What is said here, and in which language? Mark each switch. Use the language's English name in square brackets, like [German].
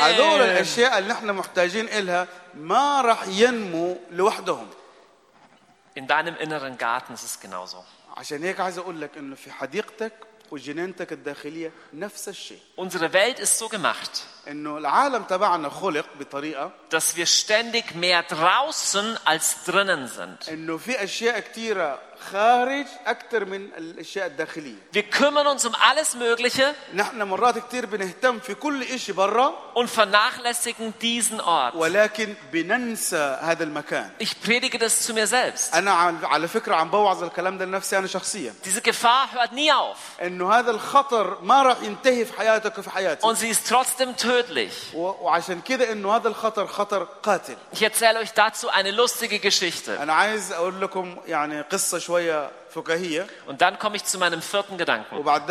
[Arabic] هذول الأشياء اللي احنا محتاجين إلها ما رح ينمو لوحدهم. [German] In deinem inneren Garten ist es genauso. [Arabic] عشان هيك عايز أقول لك إنه في حديقتك وجنينتك الداخلية نفس الشيء. [German] Unsere Welt ist so gemacht. [Arabic] إنه العالم تبعنا خلق بطريقة. [German] Dass wir ständig mehr draußen als drinnen sind. [Arabic] إنه في أشياء كتيرة خارج أكتر من الأشياء الداخلية. [German] Wir kümmern uns um alles Mögliche. [Arabic] نحن مرات كتير بنهتم في كل إشي برا. [German] Und vernachlässigen diesen Ort. [Arabic] ولكن بننسى هذا المكان. [German] Ich predige das zu mir selbst. [Arabic] أنا على فكرة عم بوعظ الكلام ده لنفسي أنا شخصيا. [German] Diese Gefahr hört nie auf. [Arabic] إنه هذا الخطر ما رح ينتهي في حياتك وفي حياتي. [German] Und sie ist trotzdem tödlich. [Arabic] وعشان كده إنه هذا الخطر خطر قاتل. [German] Ich erzähle euch dazu eine lustige Geschichte. [Arabic] أنا عايز أقول لكم يعني قصة. [German] Und dann komme ich zu meinem vierten Gedanken.